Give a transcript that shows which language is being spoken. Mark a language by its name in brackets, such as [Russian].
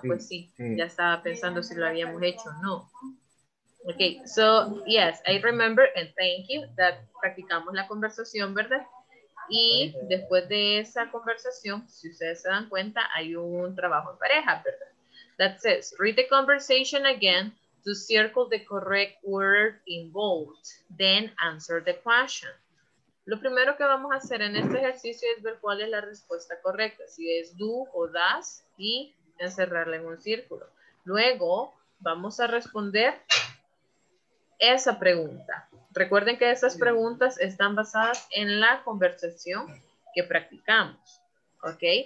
[Spanish] Sí, pues sí. Sí, ya estaba pensando si lo habíamos hecho o no. [English] Okay, so yes, I remember and thank you that [Spanish] practicamos la conversación, ¿verdad? Y después de esa conversación, si ustedes se dan cuenta, hay un trabajo en pareja, ¿verdad? [English] That says, read the conversation again to circle the correct word involved, then answer the question. [Spanish] Lo primero que vamos a hacer en este ejercicio es ver cuál es la respuesta correcta, si es do o does, y encerrarla en un círculo. Luego, vamos a responder esa pregunta. Recuerden que esas preguntas están basadas en la conversación que practicamos. ¿Ok?